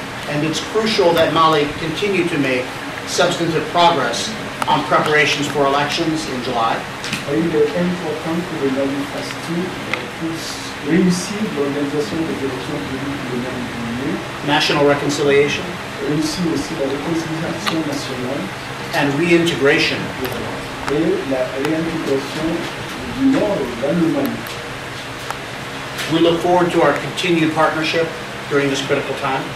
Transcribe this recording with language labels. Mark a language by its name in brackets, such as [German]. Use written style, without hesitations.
[English] And it's crucial that Mali continue to make substantive progress on preparations for elections in July. [French] Il est important que le Mali puisse réussir l'organisation des élections de l'année. [English] National reconciliation. [French] Réussir aussi la réconciliation nationale. [English] And reintegration. [French] Et la réintégration du Nord dans le Mali. [English] We look forward to our continued partnership during this critical time.